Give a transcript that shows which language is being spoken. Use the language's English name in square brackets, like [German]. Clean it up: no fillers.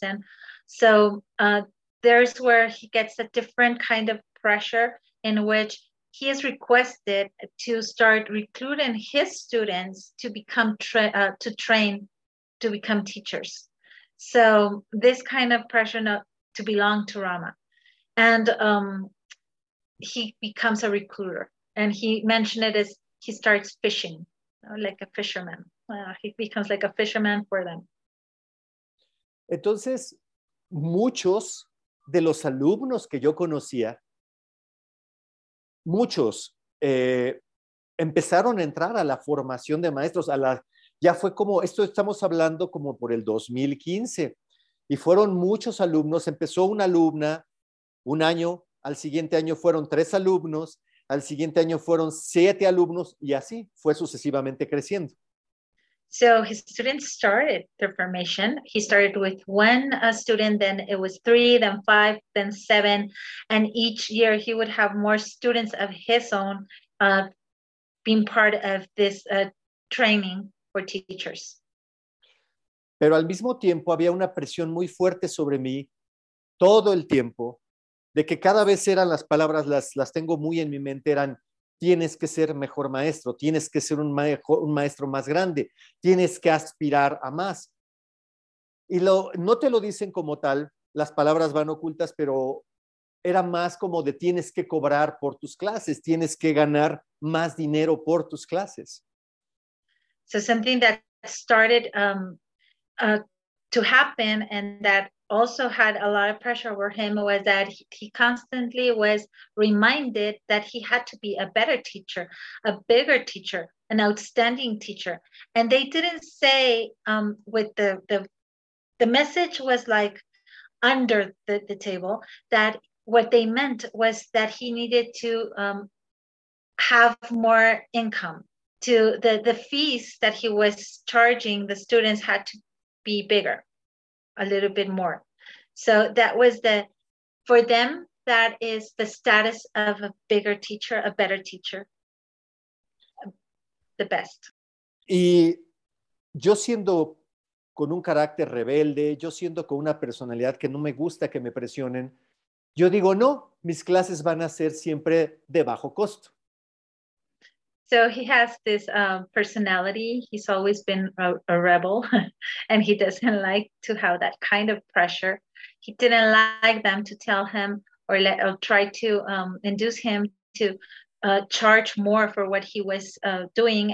[English] And so there's where he gets a different kind of pressure in which he is requested to start recruiting his students to become to train to become teachers. So this kind of pressure not to belong to Rama. And he becomes a recruiter. And he mentioned it as he starts fishing. Like a fisherman. He becomes like a fisherman for them. [Spanish] Entonces, muchos de los alumnos que yo conocía, muchos empezaron a entrar a la formación de maestros. Estamos hablando como por el 2015. Y fueron muchos alumnos. Empezó una alumna un año, al siguiente año fueron tres alumnos. Al siguiente año fueron siete alumnos y así fue sucesivamente creciendo. [English] So his students started their formation. He started with one student, then it was three, then five, then seven. And each year he would have more students of his own being part of this training for teachers. [Spanish] Pero al mismo tiempo había una presión muy fuerte sobre mí todo el tiempo de que cada vez eran las palabras, las tengo muy en mi mente, eran tienes que ser mejor maestro, tienes que ser un maestro más grande, tienes que aspirar a más. Y lo, no te lo dicen como tal, las palabras van ocultas, pero era más como de tienes que cobrar por tus clases, tienes que ganar más dinero por tus clases. [English] So something that started to happen and that also had a lot of pressure over him was that he constantly was reminded that he had to be a better teacher, a bigger teacher, an outstanding teacher. And they didn't say with the message was like under the table, that what they meant was that he needed to have more income. To the fees that he was charging the students had to be bigger, a little bit more. So that was the, for them, that is the status of a bigger teacher, a better teacher, the best. [Spanish] Y yo siendo con un carácter rebelde, yo siendo con una personalidad que no me gusta que me presionen, yo digo, no, mis clases van a ser siempre de bajo costo. [English] So he has this personality. He's always been a rebel and he doesn't like to have that kind of pressure. He didn't like them to tell him or try to induce him to charge more for what he was doing.